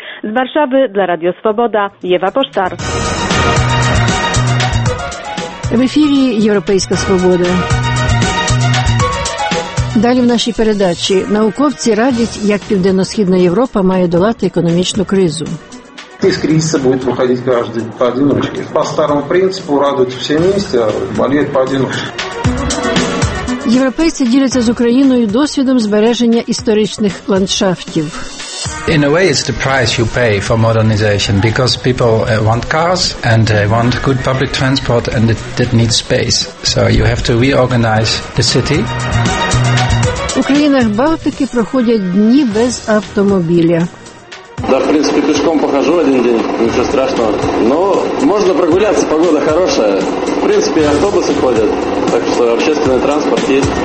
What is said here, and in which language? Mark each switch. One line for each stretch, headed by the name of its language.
Ukrainian: З Варшави для Радіо Свобода Єва Поштар. В ефірі Європейська Свобода. Далі в нашій передачі науковці радять, як Південно-Східна Європа має долати економічну кризу.
Russian: Из кризиса будет выходить каждый поодиночке. По старому принципу радуйте все вместе, а болеть поодиночке.
Ukrainian: Європейці діляться з Україною досвідом збереження історичних ландшафтів.
English: In a way, it's the price you pay for modernization, because people want cars and they want good public transport and it needs space. So you have to reorganize the city.
Ukrainian: У країнах Балтики проходять дні без автомобіля. Да, в принципі, пішком похожу один день, нічого страшного. Ну, можна прогулятися, погода хороша. В принципі, автобуси ходять, так що общественний транспорт є.